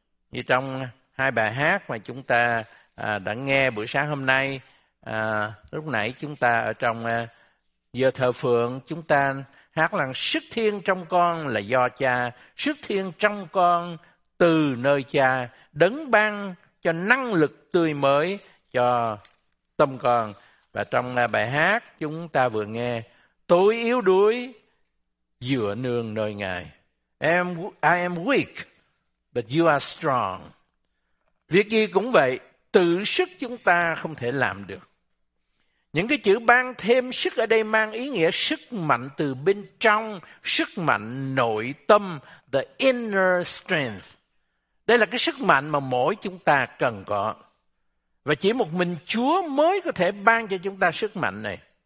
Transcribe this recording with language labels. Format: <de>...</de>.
<vi>Như trong hai bài hát mà chúng ta đã nghe buổi sáng hôm nay, lúc nãy chúng ta ở trong giờ thờ phượng, chúng ta hát là: sức thiên trong con là do cha, sức thiên trong con từ nơi cha, đấng ban cho năng lực tươi mới cho tâm con. Và trong bài hát chúng ta vừa nghe: tôi yếu đuối dựa nương nơi Ngài.</vi> <en>I am weak, but you are strong.</en> <vi>Việc gì cũng vậy, tự sức chúng ta không thể làm được. Những cái chữ ban thêm sức ở đây mang ý nghĩa sức mạnh từ bên trong, sức mạnh nội tâm,</vi> <en>the inner strength.</en> <vi>Đây là cái sức mạnh mà mỗi chúng ta cần có. Và chỉ một mình Chúa mới có thể ban cho chúng ta sức mạnh này.</vi>